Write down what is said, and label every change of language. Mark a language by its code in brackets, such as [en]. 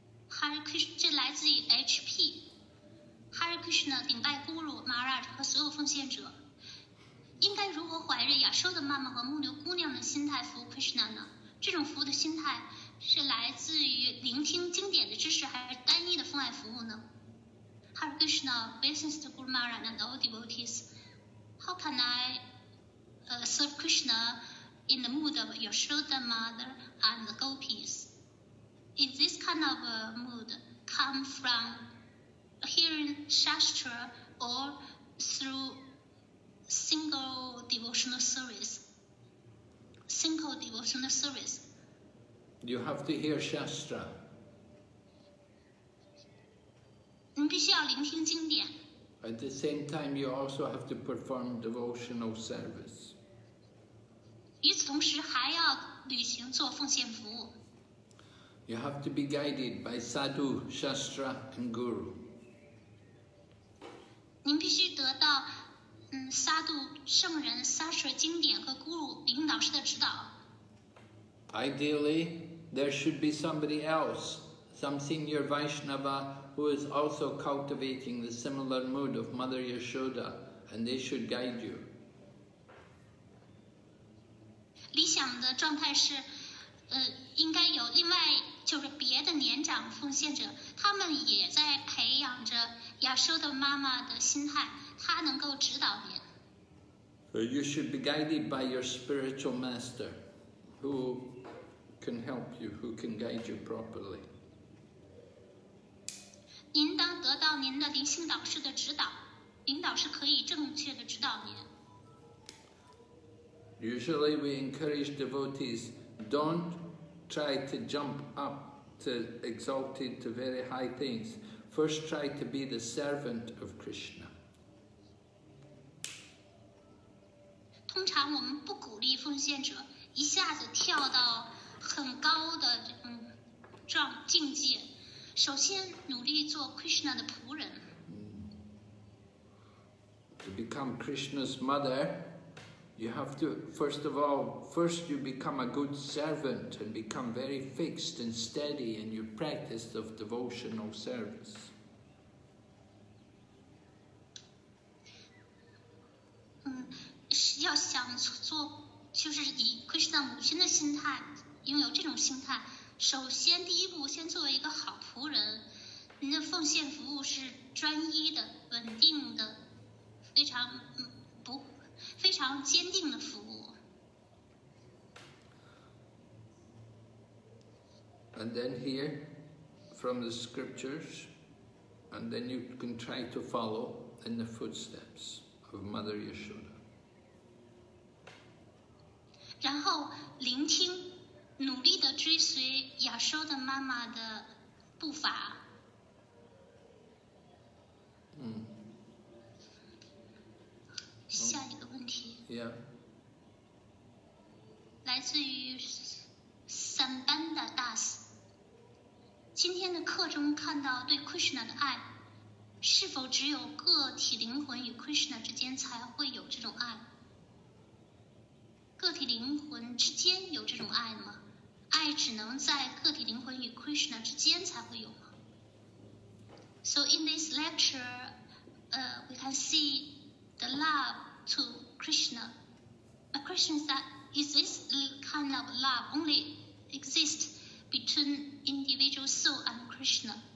[zh] Hare 这来自于 HP， Hare Krishna 顶拜 Guru Maharaj 和所有奉献者，应该如何怀着亚瑟的妈妈和牧牛姑娘的心态服务 Krishna 呢？这种服务的心态是来自于聆听经典的知识，还是单一的奉爱服务呢？ [en] Hare Krishna blessings to Guru Maharaj and all devotees. How can I serve Krishna in the mood of Yashoda mother and the gopis? Is this kind of mood come from hearing Shastra or through single devotional service? Single devotional service. You have to hear Shastra. [zh] 你必须要聆听经典。 [en] At the same time, you also have to perform devotional service. [zh] 与此同时还要履行做奉献服务。 [en] You have to be guided by Sadhu, Shastra, and Guru. [zh] 你必须得到Sadhu, 圣人 Shastra, 经典和 Guru, 领导师的指导。 [en] Ideally,There should be somebody else, some senior Vaishnava who is also cultivating the similar mood of Mother Yashoda, and they should guide you. [zh] 理想的状态是，应该有另外就是别的年长奉献者，他们也在培养着Yashoda妈妈的心态，她能够指导别人。 [en] So you should be guided by your spiritual master, who. Can help you, who can guide you properly. [zh] 您当得到您的灵性导师的指导，灵导师可以正确的指导您。 [en] Usually, we encourage devotees don't try to jump up to exalted to very high things. First, try to be the servant of Krishna. [zh] 通常我们不鼓励奉献者一下子跳到。很高的境界，首先努力做 Krishna 的仆人。 [en] To become Krishna's mother, you have to first you become a good servant and become very fixed and steady in your practice of devotional service. [zh] 要想做，就是以 Krishna 母亲的心态。拥有这种心态，首先第一步，先作为一个好仆人。您的奉献服务是专一的、稳定的、非常坚定的服务。 [en] And then here, from the scriptures, and then you can try to follow in the footsteps of Mother Yashoda. [zh] 然后聆听。努力地追随亚修的妈妈的步伐。下一个问题。来自于Sambanda Das。今天的课中看到对 Krishna 的爱，是否只有个体灵魂与 Krishna 之间才会有这种爱？个体灵魂之间有这种爱吗？爱只能在个体灵魂与 Krishna 之间才会有吗？ [en] So in this lecture, we can see the love to Krishna. My question is that, is this kind of love only exist between individual soul and Krishna?